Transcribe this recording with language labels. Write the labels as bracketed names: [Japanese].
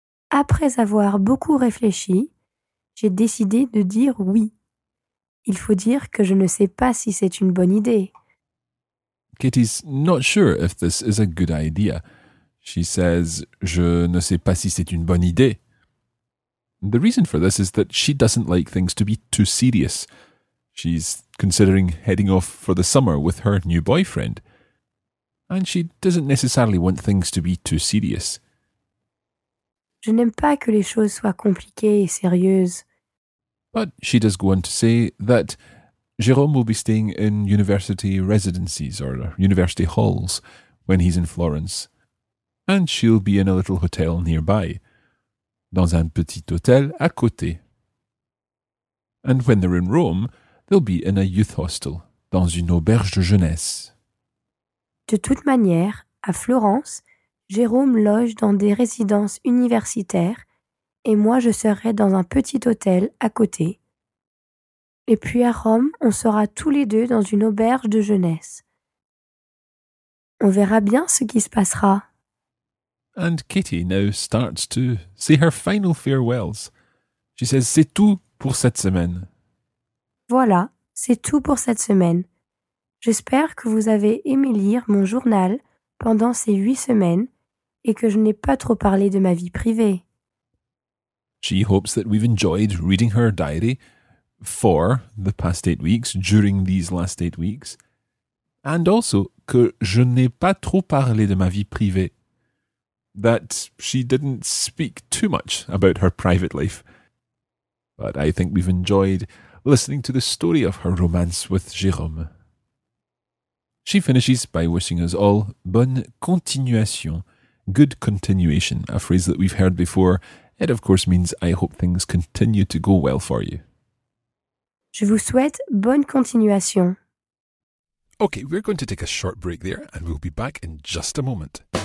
[French] Après avoir beaucoup réfléchi, j'ai décidé de dire oui. Il faut dire que je ne sais pas si c'est une bonne idée. [English] Katie's not sure if this is a good idea. She says, [French] je ne sais pas si c'est une bonne idée. [English] The reason for this is that she doesn't like things to be too serious. She's considering heading off for the summer with her new boyfriend. And she doesn't necessarily want things to be too serious. [French] Je n'aime pas que les choses soient compliquées et sérieuses. [English] But she does go on to say that Jérôme will be staying in university residences or university halls when he's in Florence. And she'll be in a little hotel nearby. [French] Dans un petit hôtel à côté. [English] And when they're in Rome, they'll be in a youth hostel, [French] dans une auberge de jeunesse. De toute manière, à Florence, Jérôme loge dans des résidences universitaires et moi je serai dans un petit hôtel à côté. Et puis à Rome, on sera tous les deux dans une auberge de jeunesse. On verra bien ce qui se passera. [English] And Kitty now starts to say her final farewells. She says, [French] c'est tout pour cette semaine. Voilà, c'est tout pour cette semaine. J'espère que vous avez aimé lire mon journal pendant ces 8 semaines et que je n'ai pas trop parlé de ma vie privée. [English] She hopes that we've enjoyed reading her diary for the past 8 weeks, during these last 8 weeks, and also [French] que je n'ai pas trop parlé de ma vie privée. [English] That she didn't speak too much about her private life. But I think we've enjoyed listening to the story of her romance with Jérôme. She finishes by wishing us all [French] bonne continuation, [English] good continuation, a phrase that we've heard before. It of course means I hope things continue to go well for you. [French] Je vous souhaite bonne continuation. [English] Okay, we're going to take a short break there and we'll be back in just a moment.